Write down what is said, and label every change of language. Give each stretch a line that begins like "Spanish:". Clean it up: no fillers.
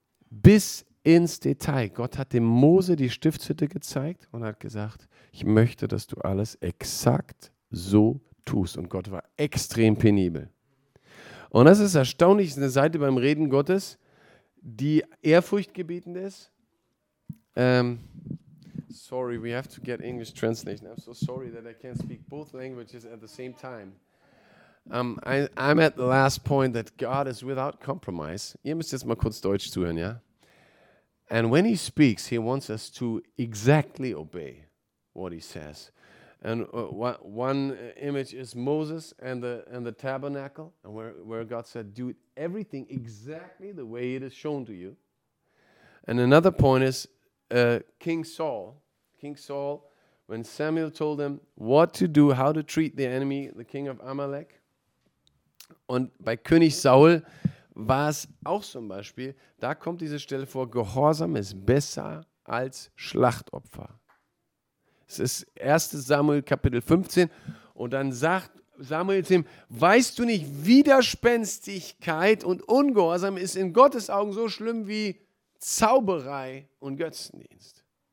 German: Bis ins Detail. Gott hat dem Mose die Stiftshütte gezeigt und hat gesagt, ich möchte, dass du alles exakt so tust. Und Gott war extrem penibel. Und das ist erstaunlich, eine Seite beim Reden Gottes, die ehrfurchtgebietend ist.
English: Sorry, we have to get English translation. I'm so sorry that I can't speak both languages at the same time. I'm at the last point that God is without compromise.
German: Ihr müsst jetzt mal kurz Deutsch zuhören, ja?
English: And when he speaks, he wants us to exactly obey what he says. And one image is Moses and the tabernacle, and where God said, do everything exactly the way it is shown to you. And another point is King Saul, when Samuel told him what to do, how to treat the enemy, the king of Amalek.
German: Und bei König Saul war es auch zum Beispiel, da kommt diese Stelle vor, Gehorsam ist besser als Schlachtopfer. Es ist 1. Samuel Kapitel 15 und dann sagt Samuel zu ihm, weißt du nicht, Widerspenstigkeit und Ungehorsam ist in Gottes Augen so schlimm wie Zauberei und Götzendienst.